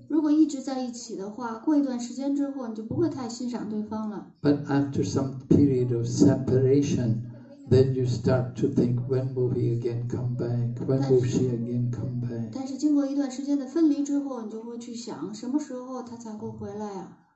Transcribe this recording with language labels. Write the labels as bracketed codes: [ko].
[zh] 如果一直在一起的话，过一段时间之后，你就不会太欣赏对方了。 [en] But after some period of separation, then you start to think, when will he again come back? When will she again come back? [zh] 但是经过一段时间的分离之后，你就会去想，什么时候他才会回来啊？